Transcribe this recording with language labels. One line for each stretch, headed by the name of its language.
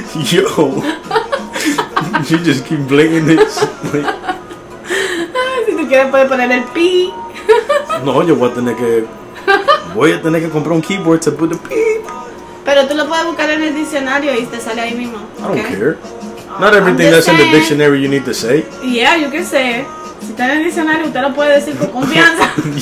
English: Yo. You just keep blinking this.
Spanish: Si tú quieres, puedes poner el pi. No, yo voy a tener que comprar un keyboard
English: to put the pi.
Spanish: Pero tú lo puedes buscar en el diccionario y te sale ahí mismo.
English: I don't care. Not everything that's in the dictionary you need to say. Yeah, you can say it.
Spanish: Si está en el diccionario, usted lo puede decir con confianza.